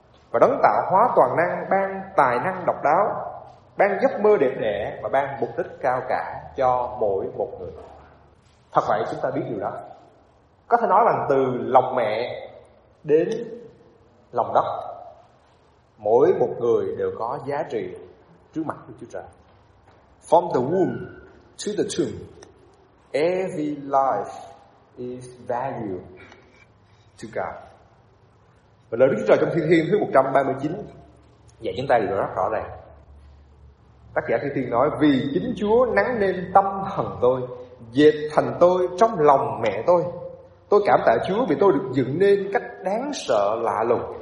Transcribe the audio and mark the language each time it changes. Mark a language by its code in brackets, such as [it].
[vi] Và đấng tạo hóa toàn năng ban tài năng độc đáo, ban giấc mơ đẹp đẽ và ban mục đích cao cả cho mỗi một người. Thật vậy, chúng ta biết điều đó. Có thể nói rằng từ lòng mẹ đến lòng đất, mỗi một người đều có giá trị trước mặt Đức Chúa Trời. [en] From the womb to the tomb, every life is valued to God. [vi] Và lời Đức Chúa Trời trong Thi Thiên thứ 139 dạy chúng ta điều rất rõ ràng. Tác giả Thi Thiên nói: vì chính Chúa nắn nên tâm thần tôi, dệt thành tôi trong lòng mẹ tôi. Tôi cảm tạ Chúa vì tôi được dựng nên cách đáng sợ lạ lùng.